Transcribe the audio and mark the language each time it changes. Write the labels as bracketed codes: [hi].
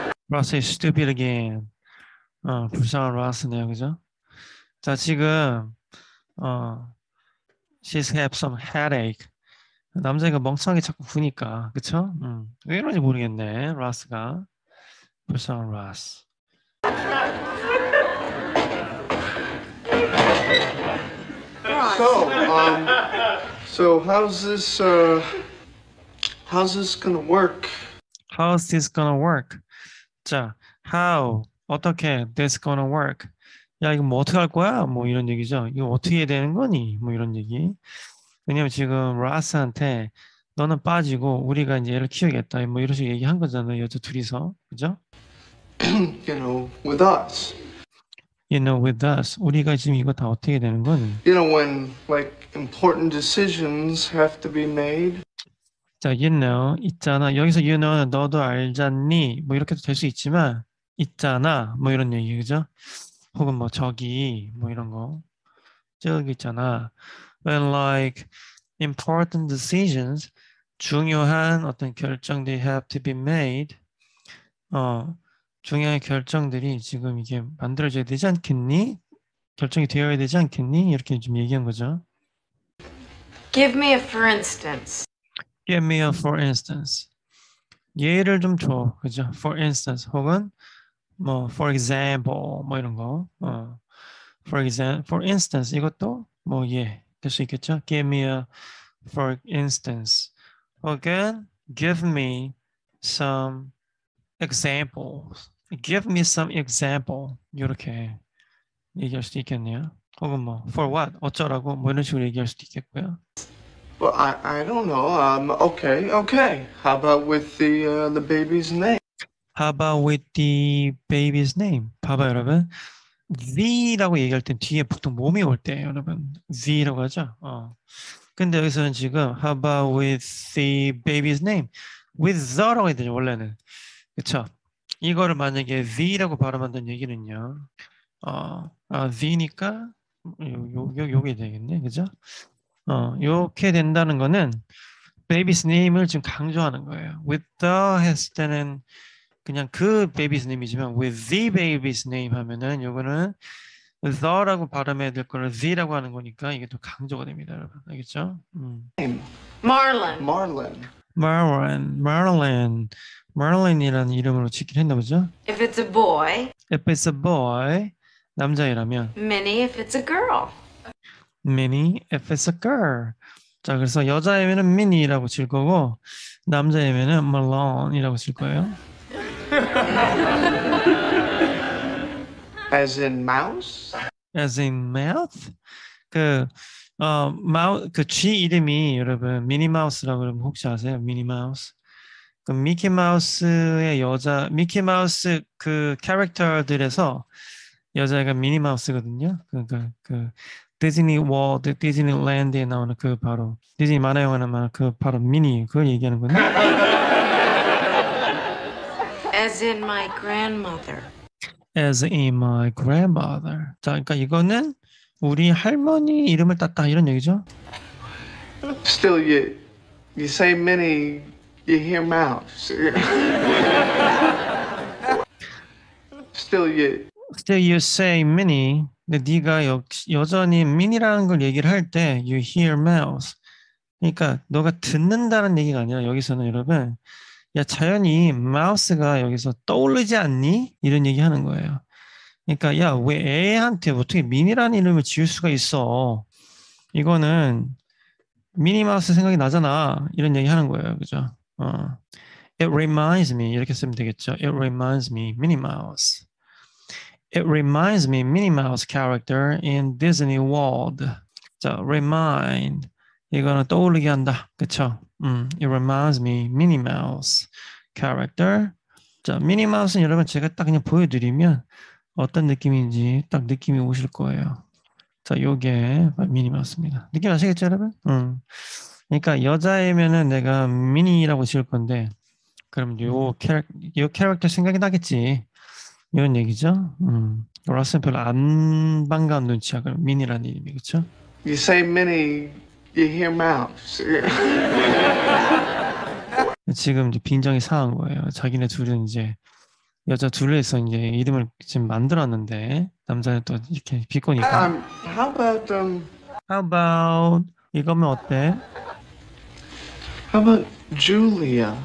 [en] 러스 is stupid again. [ko] 불쌍한 러스네요, 그죠? 자, 지금 [en] she's have some headache. [ko] 남자애가 멍청하게 자꾸 부니까, 그쵸? 왜 이런지 모르겠네, 러스가. 불쌍한 러스. [en] So how's this gonna work? How's this gonna work? [ko] 자, [en] how, [ko] 어떻게, [en] this gonna work? [ko] 야, 이거 뭐 어떻게 할 거야? 뭐 이런 얘기죠. 이거 어떻게 해야 되는 거니? 뭐 이런 얘기. 왜냐면 지금 라스한테 너는 빠지고 우리가 이제 얘를 키우겠다. 뭐 이런 식으로 얘기한 거잖아요. 여자 둘이서. 그죠? [en] With us. You know, with us. [ko] 우리가 지금 이거 다 어떻게 해야 되는 거니? [en] When important decisions have to be made. [ko] 자, [en] you know, [ko] 있잖아. 여기서 you know는 너도 알잖니? 뭐 이렇게도 될수 있지만, 있잖아. 뭐 이런 얘기, 그죠? 혹은 뭐 저기, 뭐 이런 거. 저기 있잖아. [en] When like important decisions, [ko] 중요한 어떤 결정들이 [en] have to be made. [ko] 중요한 결정들이 지금 이게 만들어져야 되지 않겠니? 결정이 되어야 되지 않겠니? 이렇게 좀 얘기한 거죠. [en] Give me a for instance. Give me a for instance. [ko] 예를 좀 줘, 그죠? [en] For instance, [ko] 혹은 뭐 [en] for example, [ko] 뭐 이런 거. [en] For instance, [ko] 이것도 뭐 예, 될수 있겠죠? [en] Give me a for instance. [ko] 혹은 [en] give me some examples. Give me some example. [ko] 이렇게 얘기할 수도 있겠네요. 혹은 뭐 [en] for what? [ko] 어쩌라고? 뭐 이런 식으로 얘기할 수도 있겠고요. [en] Well, I don't know. Okay. How about with the baby's name? How about with the baby's name? [ko] 봐봐, 여러분. V라고 얘기할 땐 뒤에 보통 몸이 올 때, 여러분. V라고 하죠? 근데 여기서는 지금, [en] How about with the baby's name? With the [ko] 라고 해야 되죠, 원래는. 그쵸? 이거를 만약에 V라고 발음한다는 얘기는요. V니까, 요게 되겠네. 그죠? 요렇게 된다는 거는, [en] baby's name [ko] 을 지금 강조하는 거예요. [en] With the [ko] 했을 때는, 그냥 그 베이비스 네임이지만 [en] with the [ko] 베이비스 네임 하면은 요거는 the라고 발음해야 될 거를 the라고 하는 거니까 이게 또 강조가 됩니다, 여러분. 알겠죠? [en] Marlin. Marlin. [ko] Marlin이라는 이름으로 짓긴 했나 보죠? [en] If it's a boy, If it's a boy, [ko] 남자이라면 [en] Minnie. If it's a girl, Minnie, if it's a girl. [ko] 자, 그래서 여자 애매는 미니라고 칠 거고 남자 애매는 말론이라고 칠 거예요. [en] As in mouse? As in mouth? [ko] 그쥐 이름이 여러분 미니마우스라고 여러분 혹시 아세요? 미니마우스. 그 미키마우스의 여자, 미키마우스 그 캐릭터들에서 여자애가 미니마우스거든요. 그러니까 그 디즈니 월드, 디즈니랜드에 나오는 그 바로 디즈니 만화 영화나 그 바로 미니 그걸 얘기하는 거네. [en] As in my grandmother. As in my grandmother. [ko] 자, 그러니까 이거는 우리 할머니 이름을 땄다 이런 얘기죠. [en] Still, you say many, you hear mouse. Still, you. Still, you say many. [ko] 근데 네가 여전히 미니라는 걸 얘기를 할 때, [en] you hear mouse. [ko] 그러니까 너가 듣는다는 얘기가 아니라 여기서는 여러분, 야 자연히 마우스가 여기서 떠오르지 않니? 이런 얘기하는 거예요. 그러니까 야왜 애한테 어떻게 미니라는 이름을 지을 수가 있어? 이거는 미니 마우스 생각이 나잖아. 이런 얘기하는 거예요, 그죠? [en] It reminds me [ko] 이렇게 쓰면 되겠죠. [en] It reminds me, 미니 마우스. It reminds me Minnie Mouse character in Disney World. [ko] 자, remind 이거는 떠올리게 한다, 그쵸? [en] It reminds me Minnie Mouse character. [ko] 자, Minnie Mouse는 여러분 제가 딱 그냥 보여드리면 어떤 느낌인지 딱 느낌이 오실 거예요. 자, 요게 Minnie Mouse입니다. 느낌 아시겠죠, 여러분? 그러니까 여자애면은 내가 Minnie라고 지을 건데 그럼 요 캐릭터 생각이 나겠지? 이런 얘기죠. 로라스는 별로 안 반가운 눈치야. 그럼 미니라는 이름이 그렇죠? [en] You say many, you hear mouse. [ko] 지금 이제 빈정이 상한 거예요. 자기네 둘은 이제 여자 둘에서 이제 이름을 지금 만들었는데 남자는 또 이렇게 비꼬니까. [en] How about How about [ko] 이거면 어때? [en] How about Julia?